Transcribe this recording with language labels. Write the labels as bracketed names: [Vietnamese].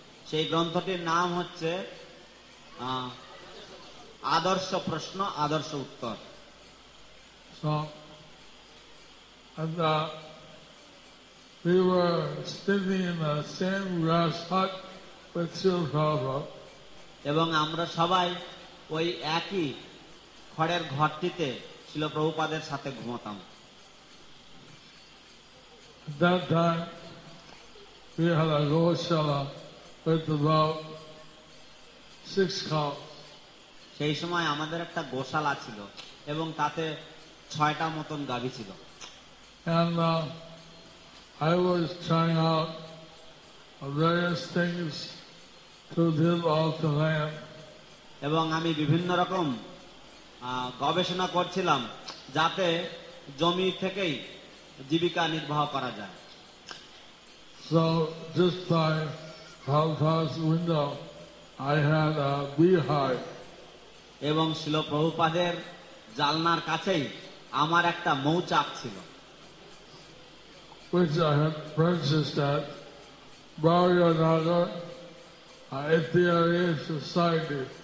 [Bangla] সেই গ্রন্থটির নাম হচ্ছে আদর্শ প্রশ্ন আদর্শ উত্তর। [English] So, and we were sitting in the same grass hut with Srila Prabhupada. [Bangla] এবং আমরা সবাই ওই একই খড়ের ঘরটিতে শিল প্রভুপাদের সাথে ঘুমাতাম। [English] That time, we had a goshala with about 6 cows. [Bangla] সেই সময় আমাদের একটা গোশালা ছিল এবং তাতে 6টা মতন গাভী ছিল। [English] And I was trying out various things to live off the land. [Bangla] এবং আমি বিভিন্ন রকম গবেষণা করছিলাম যাতে জমি থেকেই জীবিকা নির্বাহ করা যায়। [English] So this time, Prabhupada's window, I had a beehive. [Bangla] এবং শিল প্রভুপাদের জালনার কাছেই আমার একটা মৌচাক ছিল, [English] which I had purchased at Bhagyanagar Ethiary Society.